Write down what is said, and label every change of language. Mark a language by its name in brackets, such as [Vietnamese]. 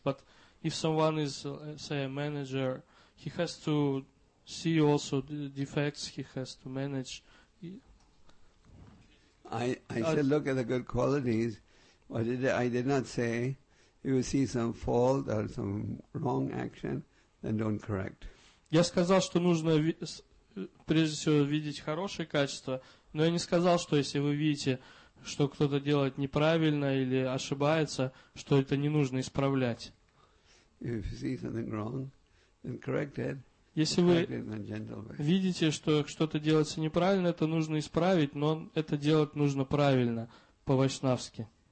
[English] But if someone is, say, a manager, he has to see also the defects he has to manage. I said look at the good qualities. I did not say if you see some fault or some wrong action, then don't correct. [Russian] Я сказал, что нужно прежде всего видеть хорошие качества, но я не сказал, что если вы видите, что кто-то делает неправильно или ошибается, что это не нужно исправлять. [English] If you see something wrong, then correct it. [Russian] Если вы видите, что что-то делается неправильно, это нужно исправить, но это делать нужно правильно, по-вайшнавски.